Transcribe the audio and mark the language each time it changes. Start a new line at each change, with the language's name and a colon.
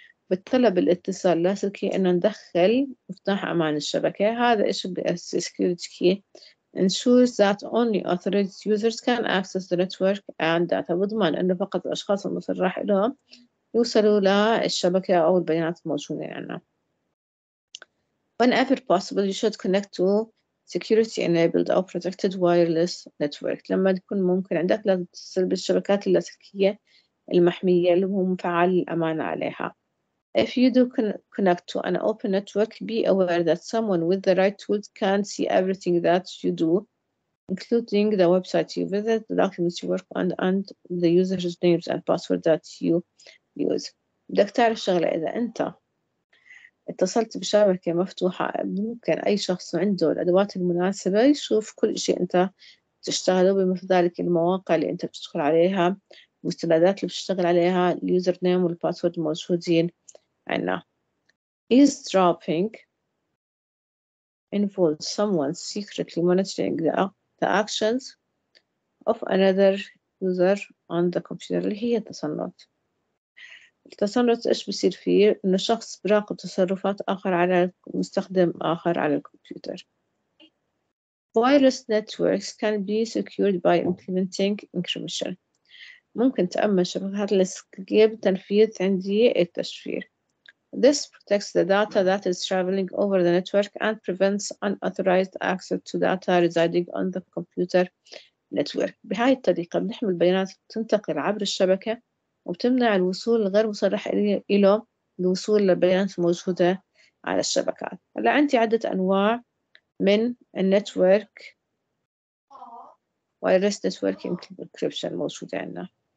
Arabic: بتطلب الاتصال لاسلكي انه ندخل مفتاح امان الشبكة. هذا ايش السكيورتي كي
English: ensures that only authorized users can access the network and data.
Arabic: بضمن انه فقط الاشخاص المصرح لهم يوصلوا للشبكة او البيانات الموجودة عندنا.
English: Whenever possible, you should connect to security-enabled or protected wireless network.
Arabic: لما تكون ممكن عندك لازم تتصل بالشبكات اللاسلكية المحمية اللي هو مفعل الأمان عليها.
English: If you do connect to an open network, be aware that someone with the right tools can see everything that you do, including the website you visit, the documents you work on, and the user's names and password that you use.
Arabic: بدك تعرف شغلة، إذا أنت اتصلت بشبكة مفتوحة ممكن أي شخص عنده الأدوات المناسبة يشوف كل شيء أنت تشتغله، بما في ذلك المواقع اللي أنت بتدخل عليها، المستندات اللي بتشتغل عليها، اليوزر نيم والباسورد الموجودين عنا.
English: Eavesdropping involves someone secretly monitoring the actions of another user on the computer.
Arabic: اللي هي التصنت. التصنت إيش بيصير فيه؟ إنه شخص براقب تصرفات آخر على مستخدم آخر على الكمبيوتر.
English: Wireless networks can be secured by implementing encryption.
Arabic: ممكن تأمن شبكات اللاسلكية بتنفيذ عندي التشفير.
English: This protects the data that is traveling over the network and prevents unauthorized access to data residing on the computer network.
Arabic: بهاي الطريقة بنحمي البيانات تنتقل عبر الشبكة وبتمنع الوصول الغير مصرح إليه الوصول للبيانات الموجودة على الشبكات. هلا عندي عدة أنواع من النتورك
English: wireless network encryption
Arabic: الموجودة عندنا.